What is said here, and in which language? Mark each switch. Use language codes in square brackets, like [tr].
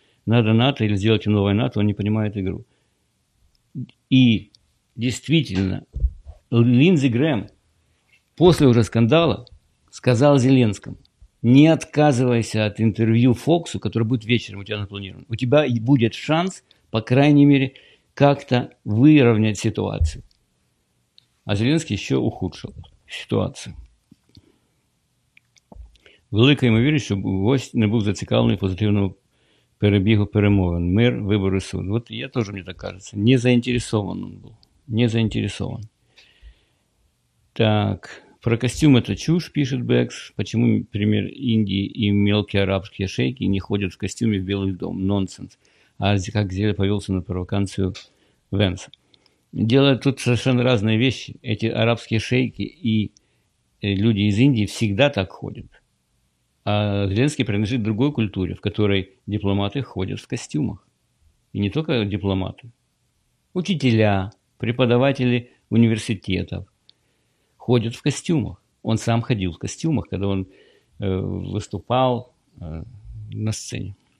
[ru] Надо НАТО или сделать новое НАТО, он не понимает игру». И действительно, Линдзи Грэм после уже скандала сказал Зеленскому: «Не отказывайся от интервью Фоксу, которое будет вечером у тебя запланировано. У тебя будет шанс, по крайней мере, как-то выровнять ситуацию». А Зеленский еще ухудшил ситуацию. [uk] Велика ймовірність, що гость не був зацікавлений в позитивному перебігу перемовин. Мир, вибори, суд. От я теж, мені так кажеться, не заінтересован він був. Не заінтересован. Так, про костюм – це чушь, пише Бекс. Почому, наприклад, Індії і мелкі арабські шейки не ходять в костюмі в Білий дом? Нонсенс. А як Зеля повелся на провокацію Венса? Діло тут совершенно різні речі. Ці арабські шейки і люди з Індії завжди так ходять. [ru] А Зеленский принадлежит другой культуре, в которой дипломаты ходят в костюмах. И не только дипломаты. Учителя, преподаватели университетов ходят в костюмах. Он сам ходил в костюмах, когда он выступал на сцене.